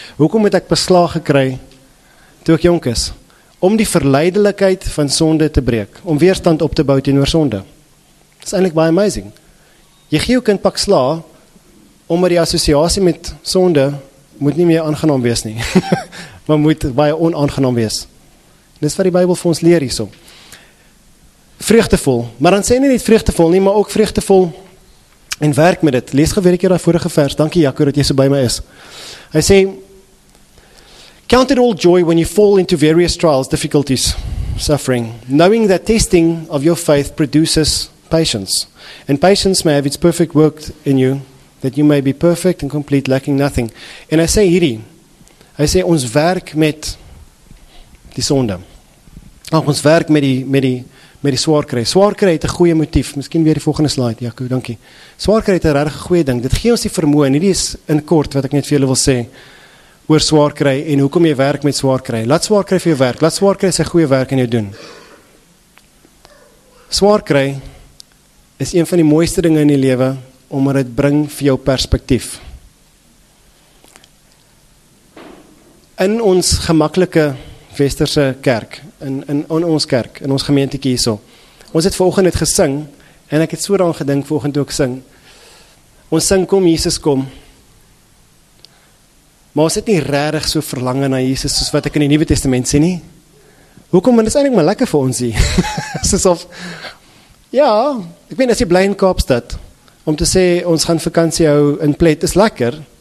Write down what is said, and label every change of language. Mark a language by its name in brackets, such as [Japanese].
[Afrikaans] Hoekom het ek beslaag gekry toe ek jonk is? Om die verleidelikheid van sonde te breek, om weerstand op te bou teenoor sonde. Dit is eintlik baie amazing. Jy gee jou kind pak sla omdat die assosiasie met sonde moet nie meer aangenaam wees nie. Maar moet baie onaangenaam wees. Dis wat die Bybel vir ons leer hierso. Vreugdevol, maar dan sê nie net vreugdevol nie, maar ook vreugdevol en werk met dit. Lees gewerk hier daar vorige vers, dankie Jaco dat jy so by my is. [English] Hy sê, count it all joy when you fall into various trials, difficulties, suffering, knowing that testing of your faith produces patience, and patience may have its perfect work in you, that you may be perfect and complete, lacking nothing. [Afrikaans] En hy sê hierdie, hy sê ons werk met die sonde, ons werk met die swaarkry. Swaarkry het 'n goeie motief. Miskien weer die volgende slide, Jaco, dankie. Swaarkry het 'n regtig goeie ding. Dit gee ons die vermoë, en hierdie is in kort wat ek net vir julle wil sê, oor swaarkry en hoekom jy werk met swaarkry. Laat swaarkry vir jou werk. Laat swaarkry sy goeie werk in jou doen. Swaarkry is een van die mooiste dinge in die lewe, omdat dit bring vir jou perspektief. In ons gemaklike Westerse kerk, in ons kerk, in ons gemeentekie hierso. Ons het vanoggend het gesing, en ek het so daaraan gedink vanoggend toe ek sing. Ons sing kom Jesus kom. Maar ons het nie regtig so verlange na Jesus soos wat ek in die Nuwe Testament sien nie. Hoekom? Want dit is eintlik maar lekker vir ons hier. Soos of, ja, ek meen, as jy bly in Kaapstad, om te sê, ons gaan vakantie hou in Plet, is lekker.